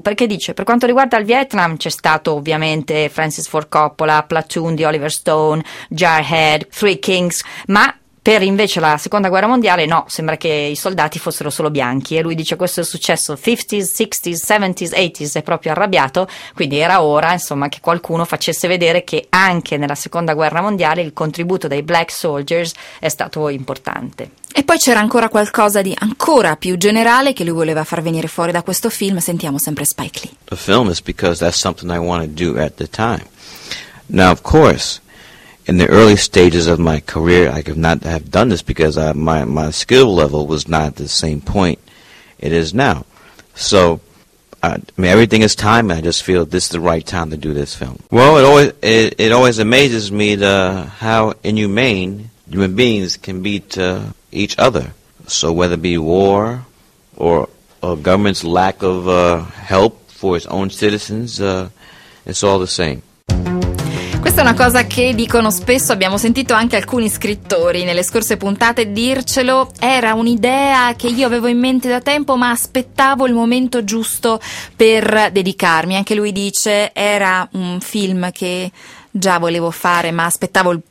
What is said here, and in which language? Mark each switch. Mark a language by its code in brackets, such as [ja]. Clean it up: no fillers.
[it] Perché dice per quanto riguarda il Vietnam c'è stato ovviamente Francis Ford Coppola, Platoon di Oliver Stone, Jarhead, Three Kings, ma per invece la Seconda Guerra Mondiale no, sembra che i soldati fossero solo bianchi, e lui dice questo è successo 50s, 60s, 70s, 80s, è proprio arrabbiato, quindi era ora insomma che qualcuno facesse vedere che anche nella Seconda Guerra Mondiale il contributo dei black soldiers è stato importante. E poi c'era ancora qualcosa di ancora più generale che lui voleva far venire fuori da questo film, sentiamo sempre Spike Lee. [en] The film is because that's something I want to do at the time. Now of course in the early stages of my career, I could not have done this because my skill level was not at the same point it is now. So, I mean, everything is time, and I just feel this is the right time to do this film. Well, it always amazes me how inhumane human beings can be to each other. So, whether it be war or government's lack of help for its own citizens, it's all the same. [it] Questa è una cosa che dicono spesso, abbiamo sentito anche alcuni scrittori nelle scorse puntate dircelo, era un'idea che io avevo in mente da tempo ma aspettavo il momento giusto per dedicarmi. Anche lui dice era un film che già volevo fare ma aspettavo il